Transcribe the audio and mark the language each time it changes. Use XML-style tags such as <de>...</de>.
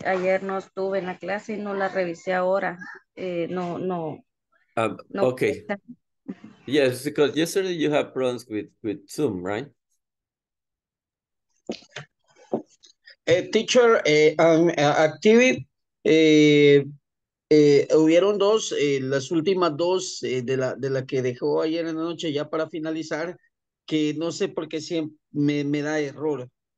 <es>Ayer no estuve en la clase y no la revisé ahora. Okay.</es> <en>Yes, because yesterday you have problems with Zoom, right?</en> <es>Teacher, hubieron dos, las últimas dos de la que dejó ayer en la noche ya para finalizar, que no sé por qué siempre me da error.</es>